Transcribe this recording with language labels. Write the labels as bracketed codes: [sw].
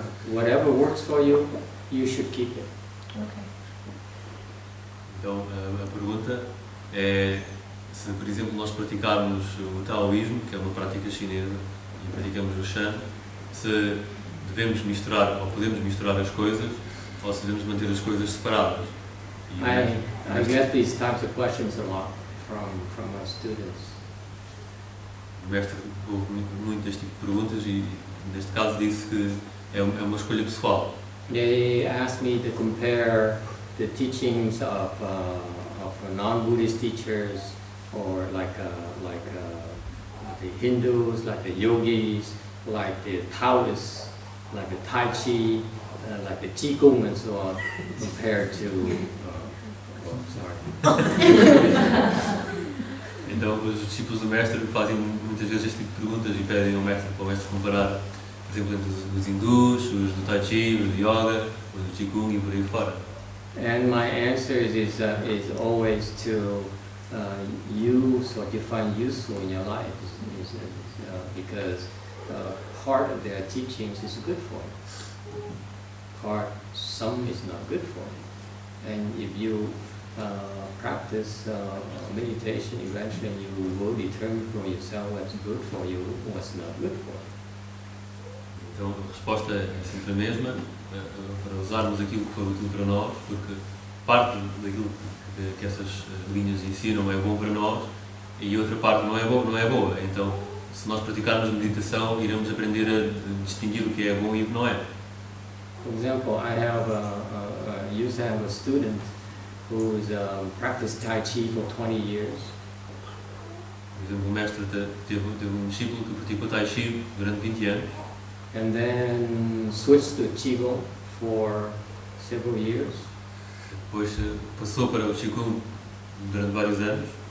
[en] Whatever works for you, you should keep it. Okay. [pt] Então, a pergunta é se, por exemplo, nós praticarmos o taoísmo, que é uma prática chinesa, e praticamos o shan, se devemos misturar ou podemos misturar as coisas, ou se devemos manter as coisas separadas. [en] I get these types of questions a lot from our students. [pt] O mestre ouve muito deste tipo de perguntas e neste caso disse que é uma escolha pessoal. [en] They asked me to compare the teachings of non-Buddhist teachers, or like the Hindus, like the yogis, like the Taoists, like the Tai Chi, like the Qigong and so on, compared to Oh, sorry. [pt] Então, os discípulos do mestre fazem muitas vezes este tipo de perguntas e pedem ao mestre para o mestre comparar, por exemplo, entre os hindus, os do tai chi, os do yoga, os do qigong e por aí fora. [en] And my answer is always to use what you find useful in your life, because part of their teachings is good for you. Part, some is not good for you. And if you practice meditation, eventually you will determine for yourself what's good for you, what's not good for you. [pt] Então a resposta é sempre a mesma, para usarmos aquilo que for útil para nós, porque parte daquilo que essas linhas ensinam é bom para nós e outra parte não é boa. Então, se nós praticarmos meditação, iremos aprender a distinguir o que é bom e o que não é. [en] For example, I have a student who is practiced Tai Chi for 20 years. [pt] Por exemplo, o mestre teve um discípulo que praticou Tai Chi durante 20 anos. [en] And then switched to Qigong for several years. [pt] Depois passou para o Qigong durante vários anos.